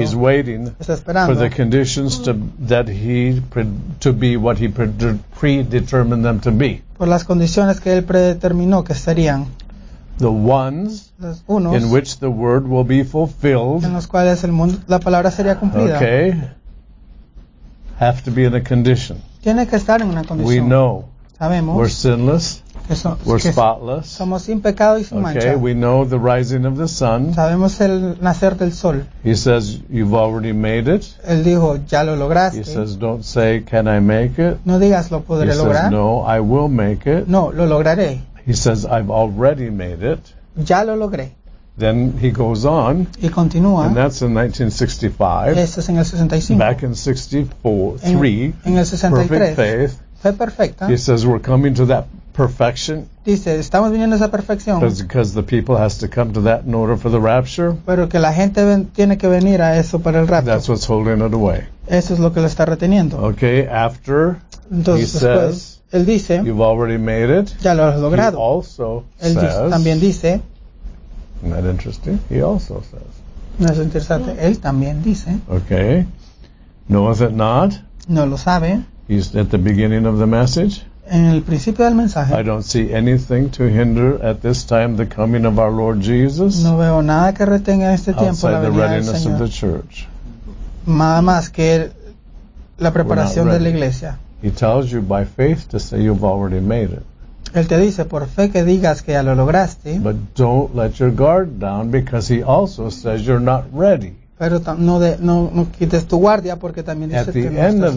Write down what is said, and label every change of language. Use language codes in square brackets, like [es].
[en] He's waiting for the conditions to be what he predetermined them to be. [es] Por las condiciones que él predeterminó que serían. [en] The ones [es] unos [en] in which the word will be fulfilled. [es] En los cuales el mundo, la palabra sería cumplida. [en] Okay. Have to be in a condition. [es] Tiene que estar en una condición. [en] We know. [es] Sabemos. [en] We're sinless. We're spotless. [es] Somos sin pecado y sin mancha. [en] Okay, we know the rising of the sun. [es] Sabemos el nacer del sol. [en] He says, you've already made it. [es] Él dijo, ya lo lograste. [en] He says, don't say, can I make it? [es] No digas, lo podré lograr. [en] He says, no, I will make it. [es] No, lo lograré. [en] He says, I've already made it. [es] Ya lo logré. [en] Then he goes on. [es] Y continúa. [en] And that's in 1965. [es] Esto es en el 65. [en] Back in 64, [es] en el 63. [en] Perfect faith. [es] Fue perfecta. [en] He says, we're coming to that perfection. [es] Dice, estamos viniendo a esa perfección. [en] Because the people has to come to that in order for the rapture. [es] Pero que la gente tiene que venir a eso para el rapto. [en] That's what's holding it away. [es] Eso es lo que lo está reteniendo. [en] Okay, after [es] entonces, [en] he [es] después, [en] says, [es] él dice, [en] you've already made it. [es] Ya lo has logrado. [en] He also [es] él [en] says, [es] dice, también dice, [en] isn't that interesting? He also says. [es] No es interesante. Él también dice. [en] Okay. Knoweth it not? [es] No lo sabe. [en] He's at the beginning of the message. [es] En el principio del mensaje. [en] I don't see anything to hinder at this time the coming of our Lord Jesus. [es] No veo nada que retenga en este tiempo la venida del Señor. [en] Outside the readiness of the church. [es] Nada más que la preparación [en] We're not ready. [es] De la iglesia. [en] He tells you by faith to say you've already made it. [es] Él te dice por fe que digas que ya lo lograste. [en] But don't let your guard down because he also says you're not ready. [es] Pero no quites tu guardia porque también dices que no estás listo.